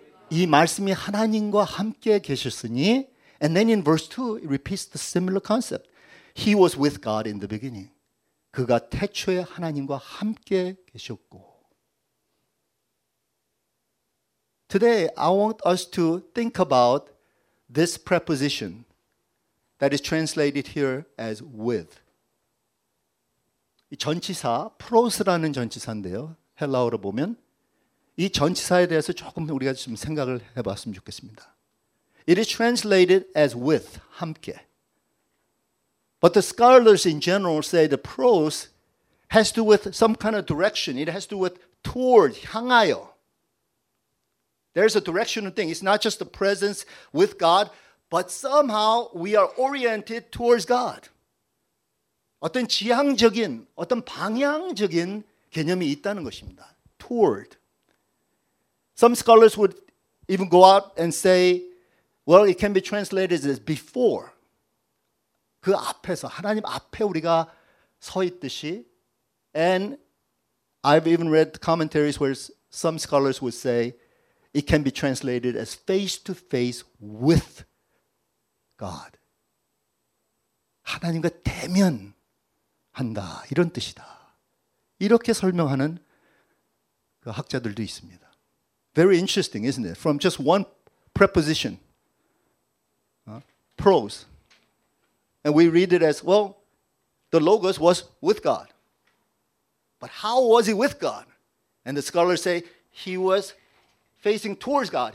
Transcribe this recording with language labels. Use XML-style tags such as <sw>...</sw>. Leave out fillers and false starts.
<ko>이 말씀이 하나님과 함께 계셨으니.</ko> <en>And then in verse 2, it repeats the similar concept. He was with God in the beginning.</en> <ko>그가 태초에 하나님과 함께 계셨고.</ko> <en>Today, I want us to think about this preposition that is translated here as with.</en> <ko>이 전치사, pros라는 전치사인데요. 헬라어로 보면 이 전치사에 대해서 조금 우리가 좀 생각을 해봤으면 좋겠습니다.</ko> <en>It is translated as with,</en> <ko>함께.</ko> <en>But the scholars in general say the pros has to do with some kind of direction. It has to do with toward,</en> <ko>향하여.</ko> <en>There's a directional thing. It's not just the presence with God, but somehow we are oriented towards God.</en> <ko>어떤 지향적인, 어떤 방향적인 개념이 있다는 것입니다.</ko> <en>Toward. Some scholars would even go out and say, well, it can be translated as before.</en> <ko>그 앞에서 하나님 앞에 우리가 서 있듯이</ko> <en>and I've even read commentaries where some scholars would say it can be translated as face to face with God.</en> <ko>하나님과 대면한다 이런 뜻이다. 이렇게 설명하는 그 학자들도 있습니다.</ko> <en>Very interesting, isn't it? From just one preposition, prose, and we read it as, well, the Logos was with God. But how was he with God? And the scholars say he was facing towards God.</en>